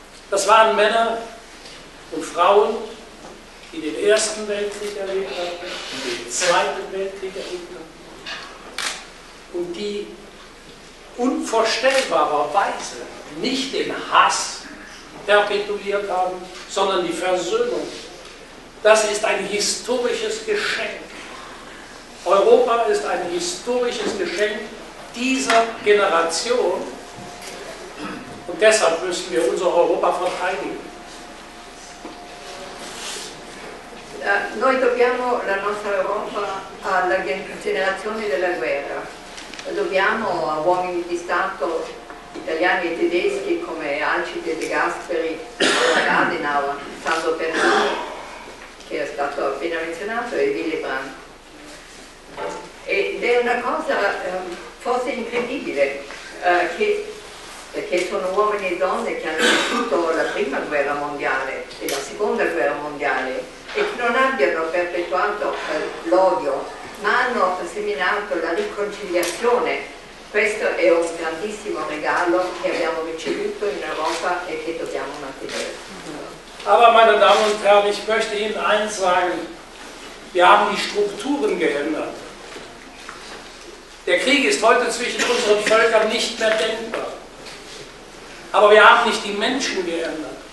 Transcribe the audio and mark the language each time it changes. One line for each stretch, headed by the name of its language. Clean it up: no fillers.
German: Das waren Männer und Frauen, die den Ersten Weltkrieg erlebt hatten, die den Zweiten Weltkrieg erlebt hatten und die unvorstellbarerweise nicht den Hass perpetuiert haben, sondern die Versöhnung. Das ist ein historisches Geschenk. Europa ist ein historisches Geschenk dieser Generation und deshalb müssen wir unser Europa verteidigen.
Italian: Noi dobbiamo la nostra Europa alla generazione della guerra. Dobbiamo a uomini di Stato italiani e tedeschi come Alcide, De Gasperi, Adenauer, Sandro Pertini, che è stato appena menzionato, e Willy Brandt. Ed è una cosa forse incredibile, perché sono uomini e donne che hanno vissuto la prima guerra mondiale e la seconda guerra mondiale e che non abbiano perpetuato l'odio, ma hanno seminato la riconciliazione. Questo è un grandissimo regalo che abbiamo ricevuto in Europa e che dobbiamo mantenere.
German: Aber meine Damen und Herren, ich möchte Ihnen eins sagen, wir haben die Strukturen geändert. Der Krieg ist heute zwischen unseren Völkern nicht mehr denkbar. Aber wir haben nicht die Menschen geändert.